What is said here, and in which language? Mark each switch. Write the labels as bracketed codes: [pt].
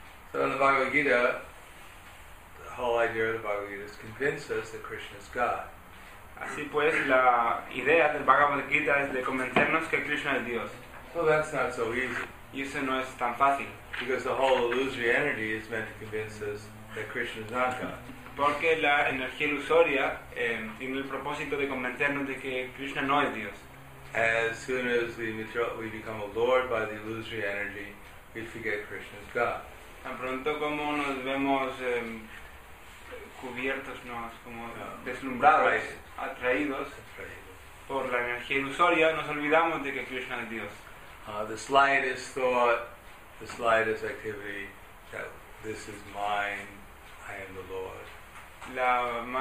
[en] So in the Bhagavad Gita, the whole idea of the Bhagavad Gita is to convince us that Krishna is God. [es] Así pues, la idea del Bhagavad Gita es de convencernos que Krishna es Dios. [en] So that's not so easy. [es] Y eso no es tan fácil. [en] Because the whole illusory energy is meant to convince us that Krishna is not God. [es] Porque la energía ilusoria tiene el propósito de convencernos de que Krishna no es Dios. [en] As soon as we become allured by the illusory energy, we forget Krishna is God. [es] Tan pronto como nos vemos cubiertos, deslumbrados, atraídos por la energía ilusoria, nos olvidamos de que Krishna es Dios. [en] The slightest thought, the slightest activity, that this is mine, I am the Lord.